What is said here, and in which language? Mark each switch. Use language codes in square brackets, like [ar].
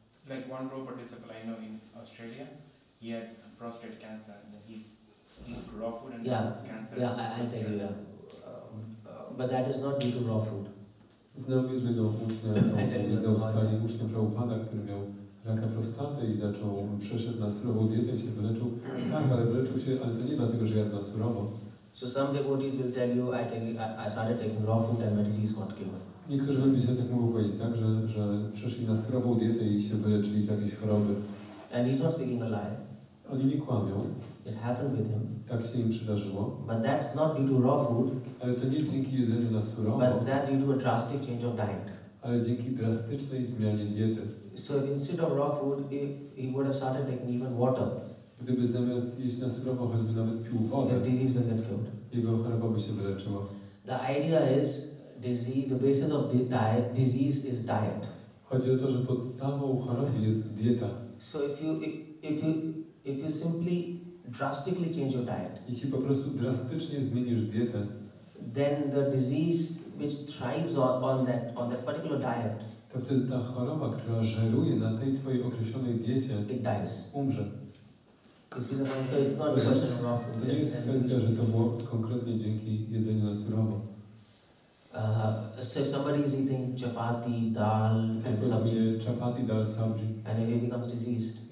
[en] Like one robot disciple I know in Australia, he had prostate cancer and he's eating raw food and yeah, he has cancer. Yeah, I say you, yeah. But that is not due to raw food. [pl] Znam jednego ucznia z Australii, ucznia Prabhupada, który miał raka prostaty i zaczął, przeszedł na surową dietę i się wyleczył. Tak, ale wyleczył się, ale to nie dlatego, że jadł na surowo. [en] So some devotees will tell you, I started taking raw food and my disease got cured. [pl] Niektórzy ludzie się tak mogą powiedzieć, tak? Że przeszli na surową dietę i się wyleczyli z jakiejś choroby. [en] And he's not speaking a lie. [pl] Oni nie kłamią. [en] It happened with him. [pl] Tak się im przydarzyło. [en] But that's not due to raw food. [pl] Ale to nie dzięki jedzeniu na surowo. [en] But that due to a drastic change of diet. [pl] Ale dzięki drastycznej zmianie diety. [en] So instead of raw food, if he would have started taking even water. [pl] Gdyby zamiast jeść na surowo, choćby nawet pił wodę. [en] The disease would get killed. [pl] Jego choroba by się wyleczyła. [en] The idea is. Disease, the basis of the diet, disease is diet. [pl] Chodzi o to, że podstawą choroby jest dieta. [en] So if you simply drastically change your diet. [pl] Jeśli po prostu drastycznie zmienisz dietę. [en] Then the disease which thrives on that particular diet. [pl] To wtedy ta choroba, która żeruje na tej twojej określonej diecie. [en] It dies. [pl] Umrze. [en] So it's not a question of raw food. [pl] To jest kwestia, że to było konkretnie dzięki jedzeniu na surowo. [en] So if somebody is eating chapati, dal, and sabji, and he becomes diseased,